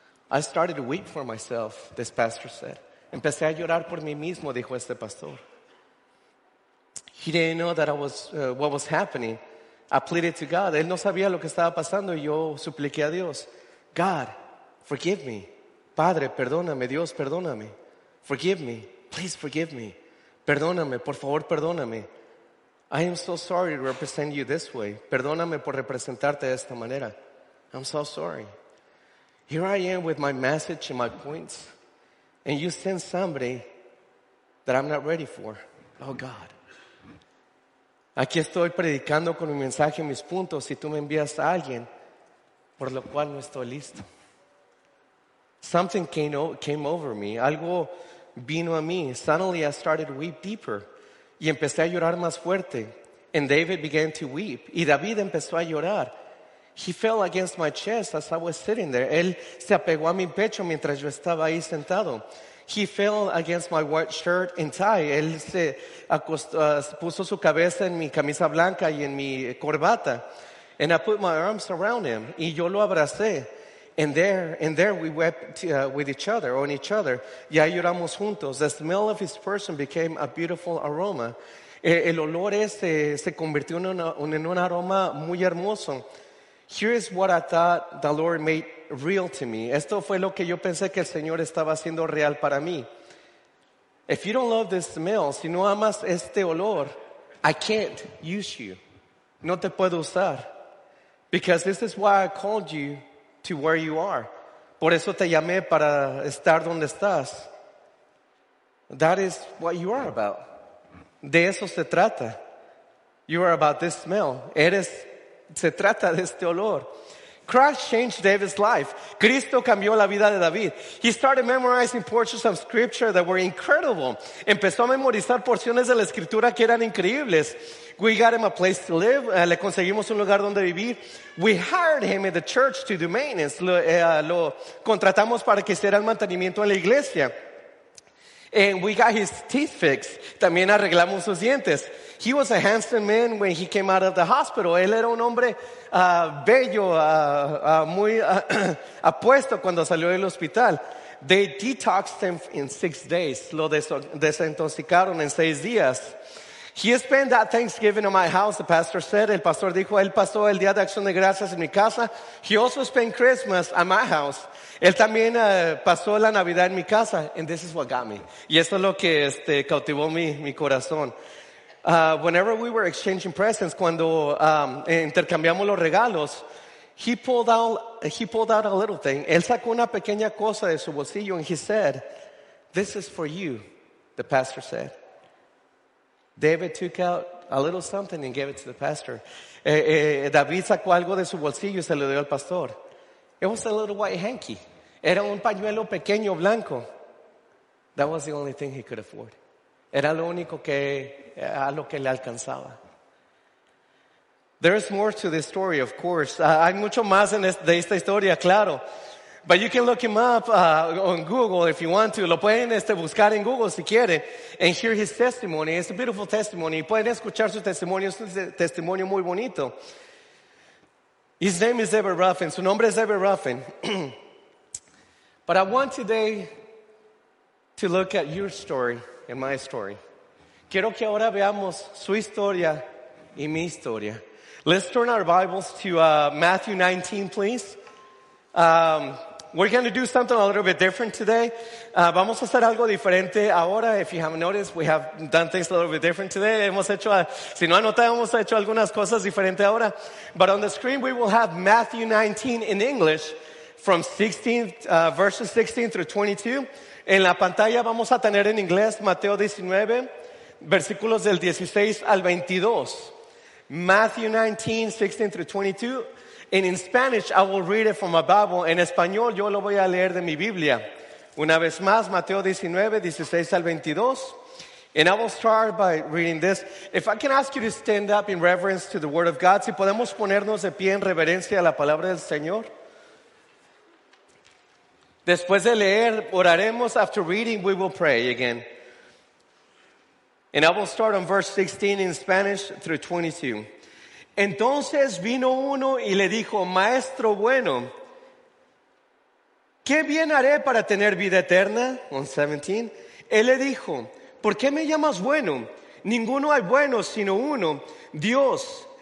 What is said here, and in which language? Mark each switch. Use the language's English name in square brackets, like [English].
[English] I started to weep for myself, this pastor said. [Spanish] Empecé a llorar por mí mismo, dijo este pastor. [English] He didn't know that I was what was happening. I pleaded to God. [Spanish] Él no sabía lo que estaba pasando y yo supliqué a Dios. [English] God, forgive me. [Spanish] Padre, perdóname. Dios, perdóname. [English] Forgive me. Please forgive me. [Spanish] Perdóname. Por favor, perdóname. [English] I am so sorry to represent you this way. [Spanish] Perdóname por representarte de esta manera. [English] I'm so sorry. Here I am with my message and my points. And you send somebody that I'm not ready for. Oh, God. [Spanish] Aquí estoy predicando con mi mensaje y mis puntos y tú me envías a alguien por lo cual no estoy listo. [English] Something came over me. [Spanish] Algo vino a mí. [English] Suddenly I started to weep deeper. [Spanish] Y empecé a llorar más fuerte. [English] And David began to weep. [Spanish] Y David empezó a llorar. [English] He fell against my chest as I was sitting there. [Spanish] Él se apegó a mi pecho mientras yo estaba ahí sentado. [English] He fell against my white shirt and tie. [Spanish] Él se acostó, puso su cabeza en mi camisa blanca y en mi corbata. [English] And I put my arms around him. [Spanish] Y yo lo abracé. [English] And there we wept on each other. [Spanish] Y ahí lloramos juntos. [English] The smell of his person became a beautiful aroma. [Spanish] El olor ese se convirtió en un aroma muy hermoso. [English] Here is what I thought the Lord made real to me. [Spanish] Esto fue lo que yo pensé que el Señor estaba haciendo real para mí. [English] If you don't love this smell, [Spanish] si no amas este olor, [English] I can't use you. [Spanish] No te puedo usar. [English] Because this is why I called you to where you are. [Spanish] Por eso te llamé para estar donde estás. [English] That is what you are about. [Spanish] De eso se trata. [English] You are about this smell. [Spanish] Eres, se trata de este olor. [English] Christ changed David's life. [Spanish] Cristo cambió la vida de David. [English] He started memorizing portions of scripture that were incredible. [Spanish] Empezó a memorizar porciones de la escritura que eran increíbles. [English] We got him a place to live. [Spanish] Le conseguimos un lugar donde vivir. [English] We hired him in the church to do maintenance. [Spanish] Lo contratamos para que hiciera el mantenimiento en la iglesia. [English] And we got his teeth fixed. [Spanish] También arreglamos sus dientes. [English] He was a handsome man when he came out of the hospital. [Spanish] Él era un hombre bello, muy apuesto cuando salió del hospital. [English] They detoxed him in 6 days. [Spanish] Lo desintoxicaron en 6 días. [English] He spent that Thanksgiving in my house, the pastor said. [Spanish] El pastor dijo, él pasó el Día de Acción de Gracias en mi casa. [English] He also spent Christmas at my house. [Spanish] Él también pasó la Navidad en mi casa. [English] And this is what got me. [Spanish] Y eso es lo que cautivó mi corazón. [English] Whenever we were exchanging presents, [Spanish] cuando intercambiamos los regalos, [English] he pulled out a little thing. [Spanish] Él sacó una pequeña cosa de su bolsillo [English] and he said, This is for you, the pastor said. David took out a little something and gave it to the pastor. [Spanish] David sacó algo de su bolsillo y se lo dio al pastor. [English] It was a little white hanky. [Spanish] Era un pañuelo pequeño blanco. [English] That was the only thing he could afford. [Spanish] Era lo único que, a lo que le alcanzaba. [English] There is more to this story, of course. [Spanish] Hay mucho más en de esta historia, claro. [English] But you can look him up on Google if you want to. [Spanish] Lo pueden buscar en Google si quieren. [English] And hear his testimony. It's a beautiful testimony. [Spanish] Pueden escuchar su testimonio. Es un testimonio muy bonito. [English] His name is Ever Ruffin. [Spanish] Su nombre es Ever Ruffin. [English] But I want today to look at your story and my story. [Spanish] Quiero que ahora veamos su historia y mi historia. [English] Let's turn our Bibles to Matthew 19, please. We're going to do something a little bit different today. [Spanish] Vamos a hacer algo diferente ahora. [English] If you haven't noticed, we have done things a little bit different today. [Spanish] Hemos hecho, si no anotamos, hemos hecho algunas cosas diferentes ahora. [English] But on the screen, we will have Matthew 19 in English from 16, verses 16 through 22. [Spanish] En la pantalla vamos a tener en inglés Mateo 19, versículos del 16 al 22. [English] Matthew 19, 16 through 22. And in Spanish, I will read it from my Bible. [Spanish] En español, yo lo voy a leer de mi Biblia. Una vez más, Mateo 19, 16 al 22. [English] And I will start by reading this. If I can ask you to stand up in reverence to the Word of God, [Spanish] si podemos ponernos de pie en reverencia a la Palabra del Señor. Después de leer, oraremos. [English] After reading, we will pray again. And I will start on verse 16 in Spanish through 22. [Spanish] Entonces vino uno y le dijo, Maestro bueno, ¿qué bien haré para tener vida eterna? [English] On 17. [Spanish] Él le dijo, ¿por qué me llamas bueno? Ninguno hay bueno sino uno, Dios.